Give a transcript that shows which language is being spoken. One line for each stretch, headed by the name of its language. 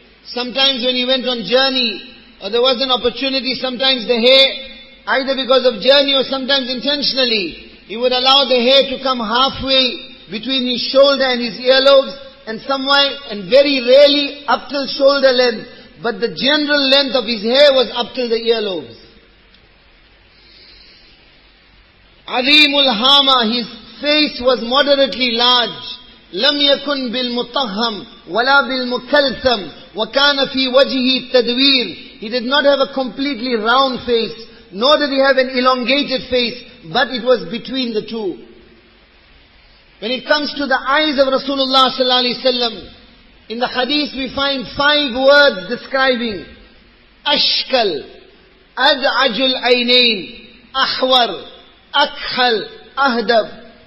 English: Sometimes when he went on journey, or there was an opportunity, sometimes the hair, either because of journey or sometimes intentionally, he would allow the hair to come halfway between his shoulder and his earlobes, and somewhere, and very rarely up till shoulder length, but the general length of his hair was up till the earlobes. Azimul Hama, his face was moderately large.
Arabic: لم يكن بالمطهم ولا بالمكلثم وكان في وجهه التدوير.
English: He did not have a completely round face, nor did he have an elongated face, but it was between the two. When it comes to the eyes of Rasulullah sallallahu alaihi wasallam, in the hadith we find five words describing: ashkal, az'ajul aynain, ahwar, akhal, ahdab.